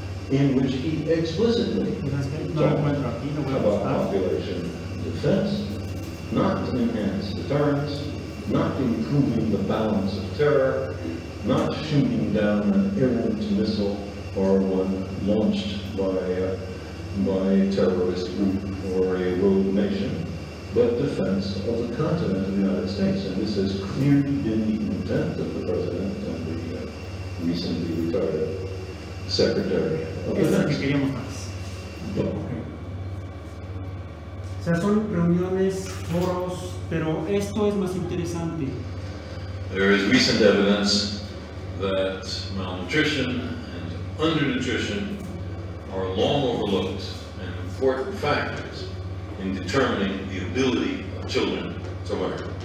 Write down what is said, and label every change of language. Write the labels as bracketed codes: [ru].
[en] in which he explicitly talked about population defense, not to enhance deterrence, not improving the balance of terror, not shooting down an errant missile or one launched by a terrorist group or a rogue nation, but defense of the continent of the United States. And this has clearly been the intent of the President and the recently retired Secretary of Defense. [es] Es lo que queríamos más. Okay. O sea, son reuniones, foros, pero esto es más interesante. [en] There is recent evidence that malnutrition and undernutrition are long overlooked and important factors in determining the ability of children to learn.